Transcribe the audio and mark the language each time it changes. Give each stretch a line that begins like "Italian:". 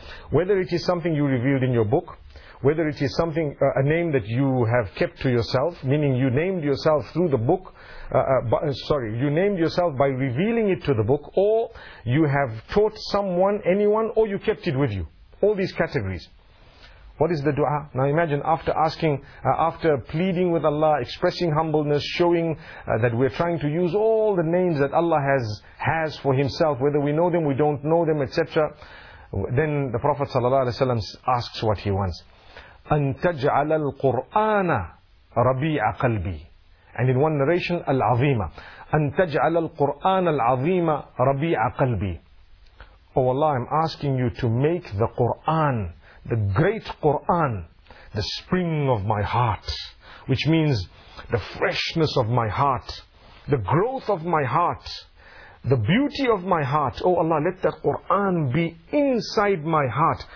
English: Whether it is something you revealed in your book, whether it is something a name that you have kept to yourself, meaning you named yourself through the book, you named yourself by revealing it to the book, or you have taught someone, anyone, or you kept it with you. All these categories. What is the dua? Now imagine after asking, after pleading with Allah, expressing humbleness, showing that we're trying to use all the names that Allah has for Himself, whether we know them, we don't know them, etc. Then the Prophet sallallahu alaihi wasallam asks what he wants.
Arabic: أن تجعل القرآن ربيع قلبي.
English: And in one narration, العظيمة.
Arabic: أن تجعل القرآن العظيمة ربيع قلبي.
English: Oh Allah, I'm asking you to make the Quran, the great Quran, the spring of my heart, which means the freshness of my heart, the growth of my heart, the beauty of my heart. Oh Allah, let the Quran be inside my heart.